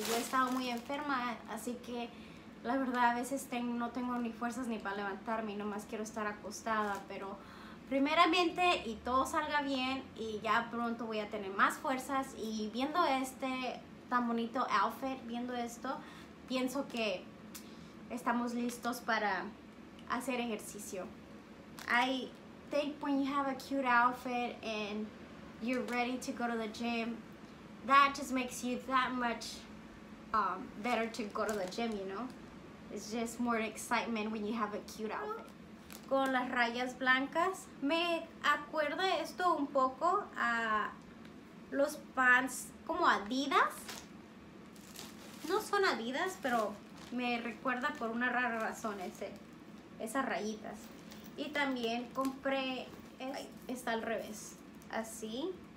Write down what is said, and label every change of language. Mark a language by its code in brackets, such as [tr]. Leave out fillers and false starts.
[es] Yo he estado muy enferma, así que la verdad, a veces no tengo ni fuerzas ni para levantarme y nomás quiero estar acostada, pero primeramente, y todo salga bien, y ya pronto voy a tener más fuerzas. Y viendo este tan bonito outfit, viendo esto, pienso que estamos listos para hacer ejercicio. [en] I think when you have a cute outfit and you're ready to go to the gym, that just makes you that much better to go to the gym, you know? It's just more excitement when you have a cute outfit. [es] Con las rayas blancas. Me acuerda esto un poco a los pants como Adidas. No son Adidas, pero me recuerda por una rara razón esas rayitas. Y también compré, está al revés, así.